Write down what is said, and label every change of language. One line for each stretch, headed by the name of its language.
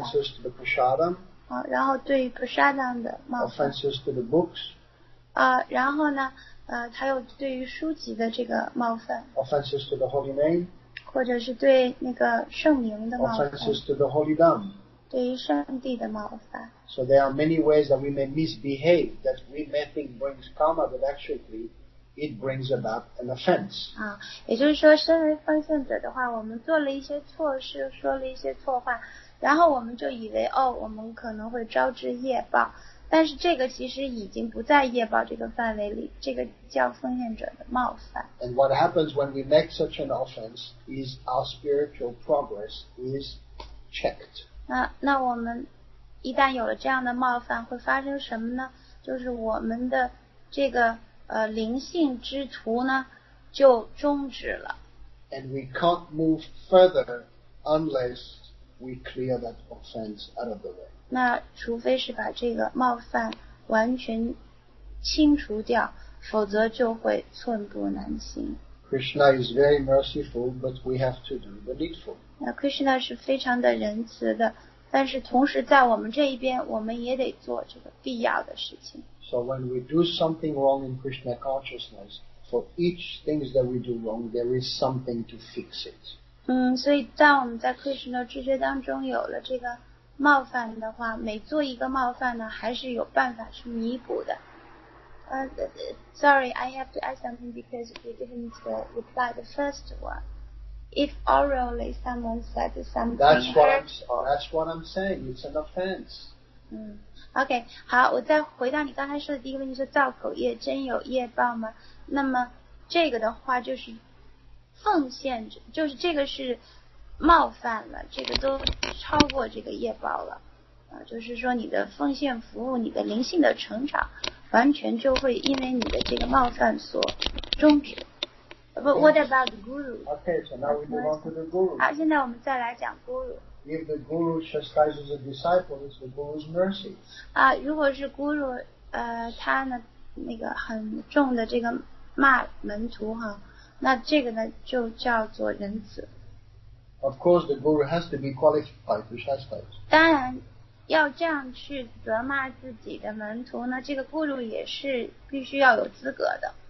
English: Offenses to the prasadam.
Chinese: 然后对于 prasadam 的冒犯。
English: Offenses to the books.
Chinese: 然后呢，还有对于书籍的这个冒犯。
English: Offenses to the holy name.
Chinese: 或者是对那个圣名的冒犯。
English: Offenses to the holy dam.
Chinese: 对于上帝的冒犯。
English: So there are many ways that we may misbehave, that we may think brings karma, but actually it brings about an offense.
Chinese: 也就是说身为奉献者的话，我们做了一些错事，说了一些错话，然后我们就以为哦，我们可能会招致业报，但是这个其实已经不在业报这个范围里，这个叫奉献者的冒犯。
English: And what happens when we make such an offense is our spiritual progress is checked.
Chinese: 那我们一旦有了这样的冒犯会发生什么呢？就是我们的这个灵性之途呢就终止了。
English: And we can't move further unless we clear that offense out of the way.
Chinese: 那除非是把这个冒犯完全清除掉，否则就会寸步难行。
English: Krishna is very merciful, but we have to do the needful.
Chinese: Krishna 是非常的仁慈的，但是同时在我们这一边，我们也得做这个必要的事情。
English: So when we do something wrong in Krishna consciousness, for each thing that we do wrong, there is something to fix it.
Chinese: 所以当我们在 Krishna 知觉当中有了这个冒犯的话，每做一个冒犯呢，还是有办法去弥补的。
English: Sorry, I have to ask something because you didn't reply the first one. If orally someone said something that's what I'm saying, it's an offense.
Chinese: Okay, 好，我再回到你刚才说的第一个问题，说造口业真有业报吗？那么这个的话就是奉献，就是这个是冒犯了，这个都超过这个业报了，就是说你的奉献服务，你的灵性的成长完全就会因为你的这个冒犯所终止。
English: But what about the guru? Okay, so now we move on to the guru.
Chinese: 好，现在我们再来讲 guru.
English: If the guru chastises a disciple, it's the guru's mercy.
Chinese: 如果是 guru, 他呢那个很重的这个骂门徒哈，那这个呢就叫做仁慈。
English: Of course, the guru has to be qualified to chastise.
Chinese: 当然，要这样去责骂自己的门徒呢，这个 guru 也是必须要有资格的。